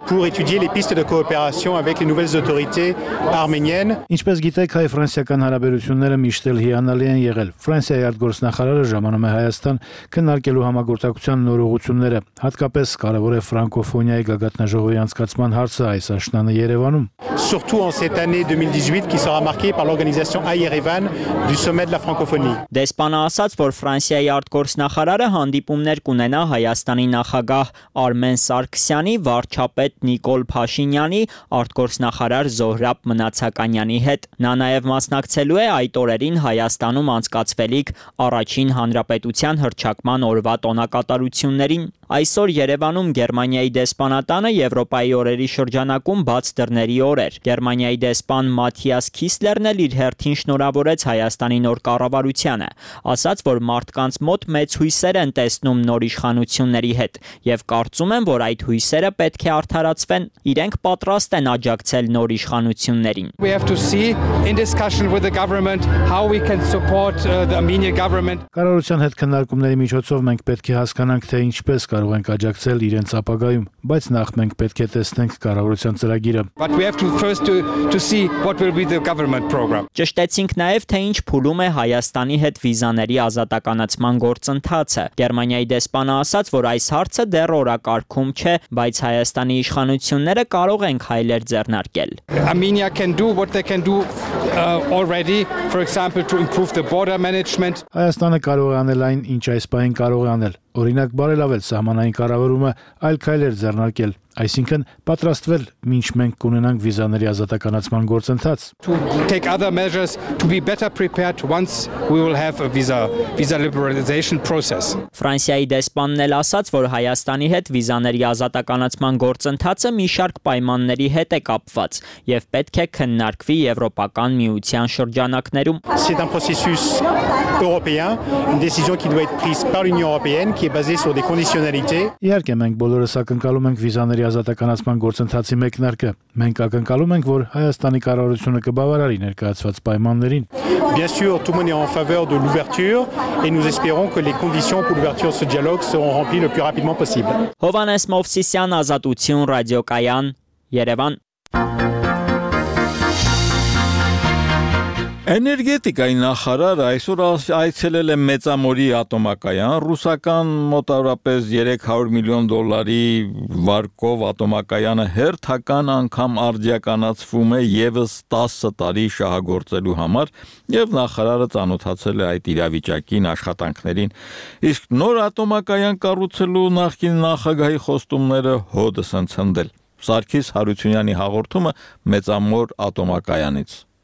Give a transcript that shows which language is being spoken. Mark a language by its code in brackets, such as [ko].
[hy] Ինչպես գիտեք, հայ-ֆրանսիական հարաբերությունները միշտ էլ հիանալի են եղել։ Ֆրանսիայի արտգործնախարարը ժամանում է Հայաստան քննարկելու համագործակցության նորոգությունները, հատկապես կարևոր է ֆրանկոֆոնիայի գագաթնաժողովի անցկացման հարցը այս աշնանը Երևանում։ [fr] Surtout en cette année 2018 qui sera marquée par l'organisation à Yerevan du sommet de la francophonie. [hy] Դեսպանը ասաց, որ Ֆրանսիայի արտգործնախարարը հանդիպումներ կունենա Հայաստանի նախագահ Արմեն Սարգսյանի, վարչապետ Նիկոլ Փաշինյանի, արտգործնախարար Զոհրաբ Մնացականյանի հետ։ Նա նաև մասնակցելու է այդ օրերին Հայաստանում անցկացվելիք առաջին հանրապետության հռչակման օրվա տոնակատարություններին։ Այսօր Երևանում Գերմանիայի դեսպանատանը Եվրոպայի օրերի շրջանակում բաց դռների օր էր։ Գերմանիայի դեսպան Մաթիաս Քիսլերն էլ իր հերթին շնորհավորեց Հայաստանի նոր կառավարությանը, ասաց, որ մարդկանց մոտ մեծ հույսեր են տեսնում նոր իշխանությունների հետ, և կարծում են, որ այդ հույսերը պետք է արդարացվեն, իրենք պատրաստ են աջակցել նոր իշխանություններին։ [en] We have to see in discussion with the government how we can support the Armenian government. [hy] Կառավարության հետ քննարկումների միջոցով մենք պետք է հասկանանք, թե ինչ ես կարող ենք աջակցել իրենց ապագայում, բայց նախ մենք պետք է տեսնենք կառավարության ծրագիրը։ Ճշտեցինք նաև, թե ինչ փուլում է Հայաստանի հետ վիզաների ազատականացման գործընթացը։ Գերմանիայի դեսպանը ասաց, որ այս հարցը դեռ օրակարգում չէ, բայց Հայաստանի իշխանությունները կարող են քայլեր ձեռնարկել։ [en] Armenia can do what they can do already, for example, to improve the border management. [hy] Հայաստանը կարող է անել այն, ինչ այս պահին կարող է անել։ Օրինակ, բարելավել սահմանային կառավարումը, այլ քայլեր ձեռնարկել, այսինքն պատրաստվել, մինչ մենք կունենանք վիզաների ազատականացման գործընթաց։ [en] To take other measures to be better prepared once we will have a visa liberalization process. [hy] Ֆրանսիայի դեսպանն էլ ասաց, որ Հայաստանի հետ վիզաների ազատականացման գործընթացը մի շարք պայմանների հետ է կապված եւ պետք է քննարկվի Եվրոպական միության շրջանակներում։ [fr] C'est un processus européen, une décision qui doit être prise par l'Union européenne. Qui est basé sur des conditionnalités. [hy] Իհարկե, մենք բոլորս ակնկալում ենք վիզաների ազատականացման գործընթացի մեկնարկը։ Մենք ակնկալում ենք, որ Հայաստանի կառավարությունը կբավարարի ներկայացված պայմաններին։ [fr] Bien sûr, tout le monde est en faveur de l'ouverture et nous espérons que les conditions pour l'ouverture de ce dialogue seront remplies le plus rapidement possible. [hy] Հովանես Մովսիսյան, Ազատություն ռադիոկայան, Երևան։ Էներգետիկայի նախարար այսօր այցելել է Մեծամորի ատոմակայան, ռուսական մոտավորապես $300 միլիոն վարկով ատոմակայանը հերթական անգամ արդիականացվում է ևս 10 տարի շահագործելու համար, և նախարարը ծանոթացել է այդ իրավիճակին, աշխատանքներին, իսկ նոր ատոմակայան կառուցելու նախկին նախագահի խոստումները հոդս են ցնդել։ Սարգիս Հարությունյանի հաղորդումը Մեծամոր ատոմակայանից։